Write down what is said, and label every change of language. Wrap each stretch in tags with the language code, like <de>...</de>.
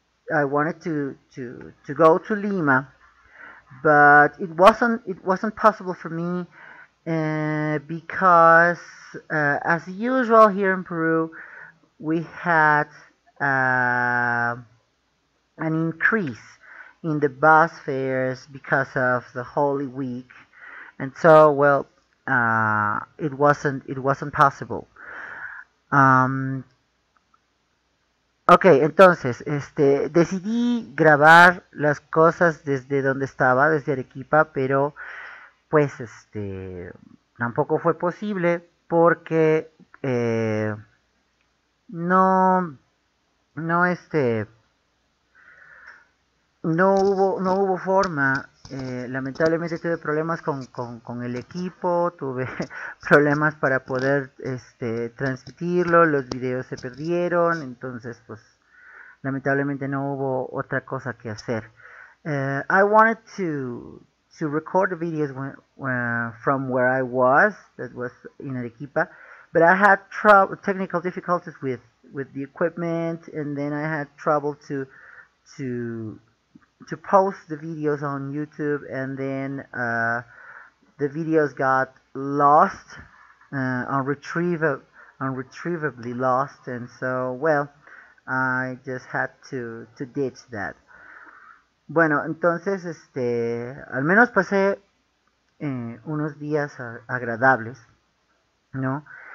<en>I wanted to go to Lima, but it wasn't possible for me because as usual here in Peru, we had an increase in the bus fares because of the Holy Week, and so well, it wasn't possible.</en> <es>Okay, entonces, decidí grabar las cosas desde donde estaba, desde Arequipa, pero pues tampoco fue posible porque no hubo forma. Lamentablemente tuve problemas con el equipo, tuve problemas para poder transmitirlo, los videos se perdieron, entonces pues lamentablemente no hubo otra cosa que hacer.</es> <en>I wanted to record the videos from where I was, that was in Arequipa, but I had technical difficulties with the equipment, and then I had trouble to post the videos on YouTube, and then the videos got lost, unretrievably lost, and so, well, I just had to ditch that.</en> <es>Bueno, entonces, al menos pasé unos días agradables, ¿no?</es>